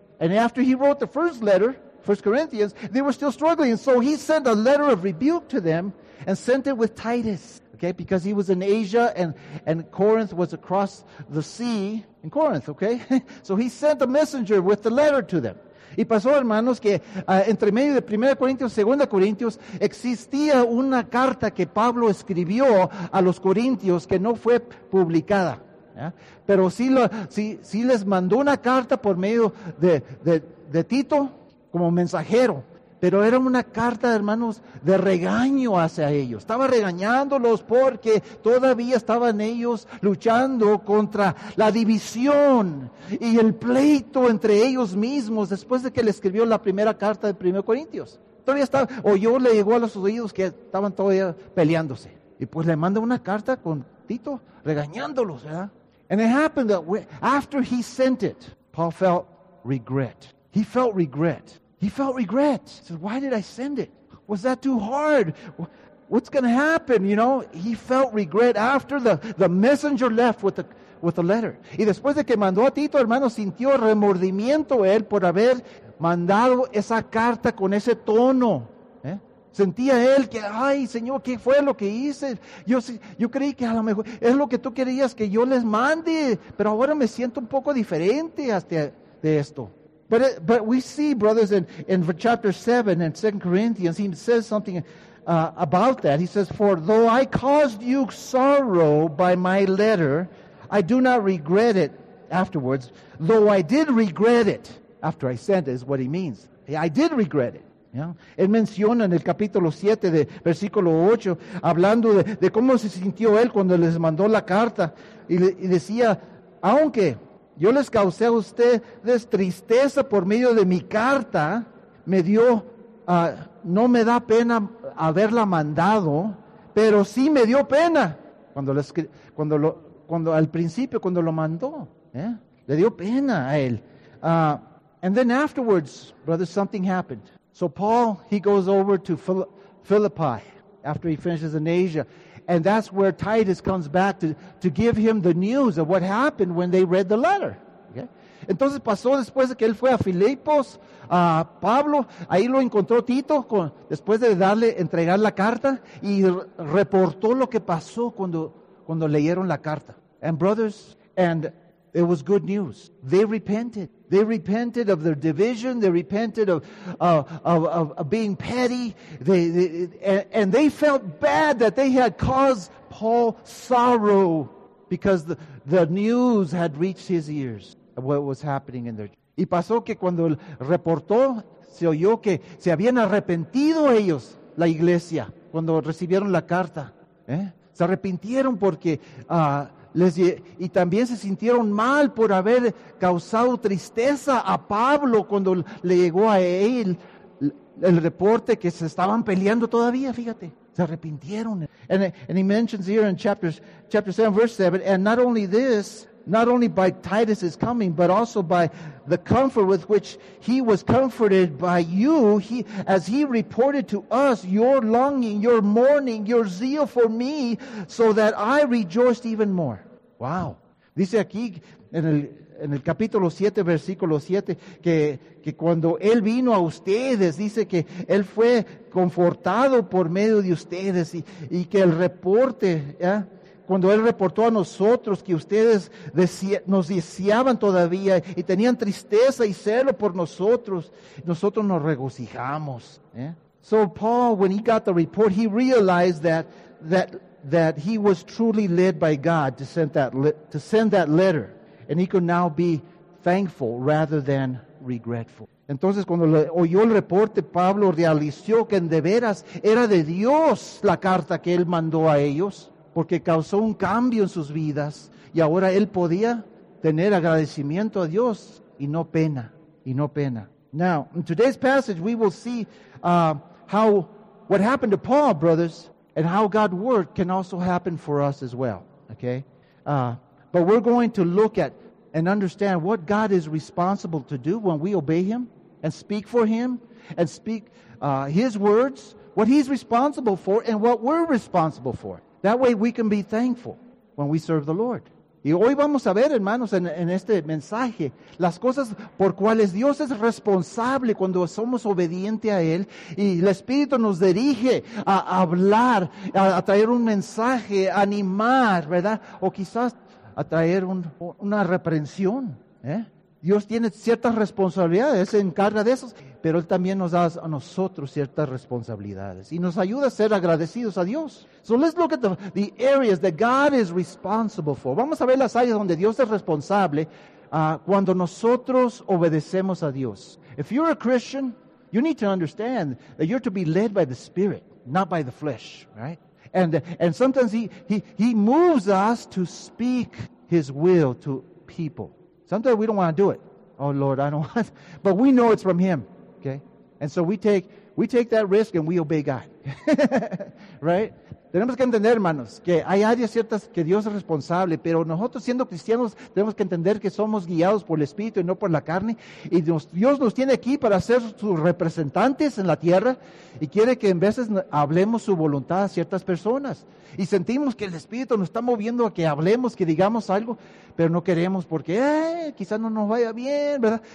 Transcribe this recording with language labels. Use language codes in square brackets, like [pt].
[en] And after he wrote the first letter, 1 Corinthians, they were still struggling. So he sent a letter of rebuke to them and sent it with Titus, okay, because he was in Asia and Corinth was across the sea in Corinth, okay. So he sent a messenger with the letter to them. [es] Y pasó, hermanos, que entre medio de 1 Corintios y 2 Corintios existía una carta que Pablo escribió a los corintios que no fue publicada. ¿Ya? Pero sí les mandó una carta por medio de Tito como mensajero. Pero era una carta, hermanos, de regaño hacia ellos. Estaba regañándolos porque todavía estaban ellos luchando contra la división y el pleito entre ellos mismos después de que le escribió la primera carta de 1 Corintios. Todavía estaba, oyó, le llegó a los oídos que estaban todavía peleándose. Y pues le manda una carta con Tito regañándolos, ¿verdad? [en] And it happened that after he sent it, Paul felt regret. He felt regret. He felt regret. He said, why did I send it? Was that too hard? What's going to happen? You know, he felt regret after the messenger left with the letter. [es] Y después de que mandó a Tito, hermano, sintió remordimiento él por haber mandado esa carta con ese tono. ¿Eh? Sentía él que, ay, Señor, ¿qué fue lo que hice? Yo creí que a lo mejor es lo que tú querías que yo les mande, pero ahora me siento un poco diferente hasta de esto. [en] But we see, brothers, in chapter 7 in 2 Corinthians, he says something about that. He says, for though I caused you sorrow by my letter, I do not regret it afterwards. Though I did regret it, after I sent it, is what he means. I did regret it. Yeah. [es] Él menciona en el capítulo 7, de versículo 8, hablando de cómo se sintió él cuando les mandó la carta. Y decía, aunque yo les causé a ustedes tristeza por medio de mi carta, no me da pena haberla mandado, pero sí me dio pena cuando al principio mandó, ¿eh? Le dio pena a él. [en] And then afterwards, brothers, something happened. So Paul, he goes over to Philippi after he finishes in Asia. And that's where Titus comes back to give him the news of what happened when they read the letter. Okay? [es] Entonces pasó después de que él fue a Filipos, a Pablo, ahí lo encontró Tito después de darle entregar la carta y reportó lo que pasó cuando leyeron la carta. [en] And brothers, and it was good news. They repented. They repented of their division. They repented of being petty. And they felt bad that they had caused Paul sorrow because the news had reached his ears of what was happening in their church. [es] Y pasó que cuando reportó, se oyó que se habían arrepentido ellos, la iglesia, cuando recibieron la carta. ¿Eh? Se arrepintieron porque... Y también se sintieron mal por haber causado tristeza a Pablo cuando le llegó a él el reporte que se estaban peleando todavía, fíjate. Se arrepintieron. [en] And he mentions here in chapter 7, verse 7, and not only this, not only by Titus's coming, but also by the comfort with which he was comforted by you, as he reported to us your longing, your mourning, your zeal for me, so that I rejoiced even more. Wow. [es] Dice aquí, en el en el capítulo 7, versículo 7, que cuando Él vino a ustedes, dice que Él fue confortado por medio de ustedes y que el reporte, ¿ya? Cuando Él reportó a nosotros que ustedes nos deseaban todavía y tenían tristeza y celo por nosotros, nosotros nos regocijamos. ¿Eh? [en] So Paul, when he got the report, he realized that he was truly led by God to send that letter, and he could now be thankful rather than regretful. [es] Entonces, cuando oyó el reporte, Pablo realizó que en de veras era de Dios la carta que él mandó a ellos, porque causó un cambio en sus vidas, y ahora él podía tener agradecimiento a Dios y no pena. [en] Now, in today's passage, we will see how what happened to Paul, brothers, and how God worked can also happen for us as well, okay? But we're going to look at and understand what God is responsible to do when we obey Him and speak for Him and speak His words, what He's responsible for and what we're responsible for. That way we can be thankful when we serve the Lord. [es] Y hoy vamos a ver, hermanos, en este mensaje, las cosas por cuales Dios es responsable cuando somos obedientes a Él. Y el Espíritu nos dirige a hablar, a traer un mensaje, a animar, ¿verdad? O quizás a traer una reprensión. ¿Eh? Dios tiene ciertas responsabilidades, se encarga de eso. Pero Él también nos da a nosotros ciertas responsabilidades y nos ayuda a ser agradecidos a Dios. [en] So let's look at the areas that God is responsible for. [es] Vamos a ver las áreas donde Dios es responsable cuando nosotros obedecemos a Dios. [en] If you're a Christian, you need to understand that you're to be led by the Spirit, not by the flesh, right? And sometimes he moves us to speak His will to people. Sometimes we don't want to do it. Oh Lord, I don't want. But we know it's from Him. Okay, and so we take that risk and we obey God, right? [es] Tenemos que entender, hermanos, que hay áreas ciertas que Dios es responsable, pero nosotros siendo cristianos tenemos que entender que somos guiados por el Espíritu y no por la carne, y Dios nos tiene aquí para ser sus representantes en la tierra y quiere que en veces hablemos su voluntad a ciertas personas y sentimos que el Espíritu nos está moviendo a que hablemos, que digamos algo, pero no queremos porque quizás no nos vaya bien, ¿verdad?